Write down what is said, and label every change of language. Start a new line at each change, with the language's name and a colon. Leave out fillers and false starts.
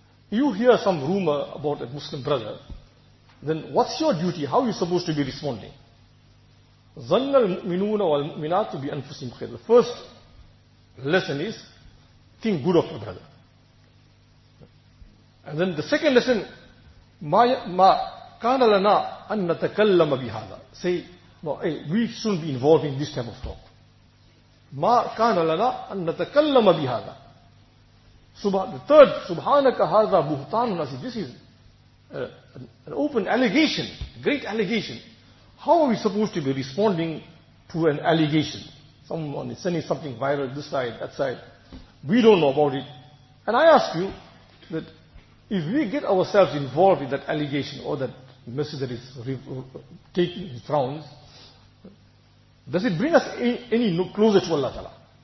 English: You hear some rumor about a Muslim brother, then what's your duty? How are you supposed to be responding?
Arabic: ظَنَّ الْمُؤْمِنُونَ وَالْمُؤْمِنَاتُ بِأَنفُسِهِمْ خَيْرًا.
English: The first lesson is, think good of your brother. And then the second lesson,
Arabic: مَا كَانَ لَنَا أَن نَتَكَلَّمَ بِهَذَا.
English: Say, no, we shouldn't be involved in this type of talk.
Arabic: مَا كَانَ لَنَا أَن نَتَكَلَّمَ بِهَذَا.
English: The third,
Arabic: سُبْحَانَكَ هَذَا بُهْتَانٌ عَزِيزٌ.
English: This is an open allegation, a great allegation. How are we supposed to be responding to an allegation? Someone is sending something viral this side, that side. We don't know about it. And I ask you that if we get ourselves involved in that allegation or that message that is taking its rounds, does it bring us any closer to Allah Ta'ala?